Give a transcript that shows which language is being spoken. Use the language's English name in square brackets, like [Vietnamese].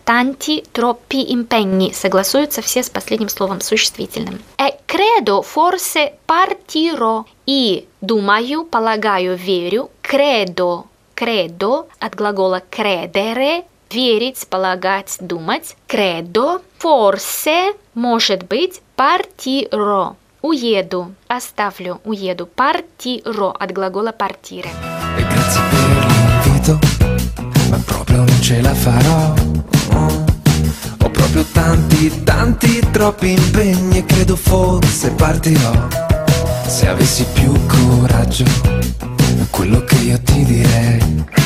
[Italian] Tanti, troppi, impegni [Russian] – согласуются все с последним словом существительным. [Italian] Credo, forse, partirò. [Russian] И думаю, полагаю, верю. Credo, credo, от глагола credere, верить, полагать, думать. [Italian] Credo, forse, [Russian] может быть, [Italian] partirò. [Russian] Уеду, оставлю, уеду. Partirò, от глагола partire. [Italian] E grazie per l'invito, ma proprio non ce la farò. Proprio tanti, tanti, troppi impegni e credo forse partirò. Se avessi più coraggio, quello che io ti direi.